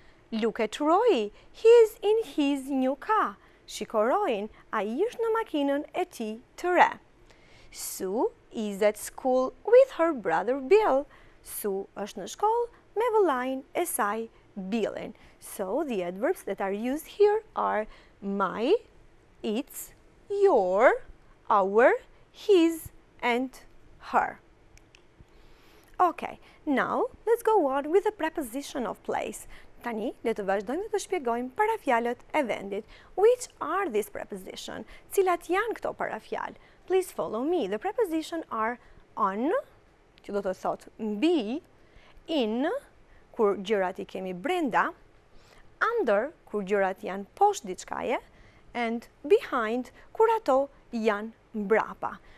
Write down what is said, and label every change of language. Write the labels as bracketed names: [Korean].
[English] Look at Roy. He is in his new car. [Albanian] Shiko Royin, ai është në makinën e tij të re. [English] Sue is at school with her brother Bill. [Albanian] Sue është në shkollë me vëllain e saj Billin. [English] So the adverbs that are used here are my, its, your, our, his, and her. Okay, now let's go on with the preposition of place. [Albanian] Tani, le të vazhdojmë të shpjegojmë parafjalët e vendit. [English] Which are these prepositions? [Albanian] Cilat janë këto parafjalë? [English] Please follow me. The prepositions are on, [Albanian] që do të thotë mbi, in, kur gjërat I kemi brenda, under, kur gjërat janë poshtë diçkaje, [English] and behind, [Albanian] kur ato janë mbrapa.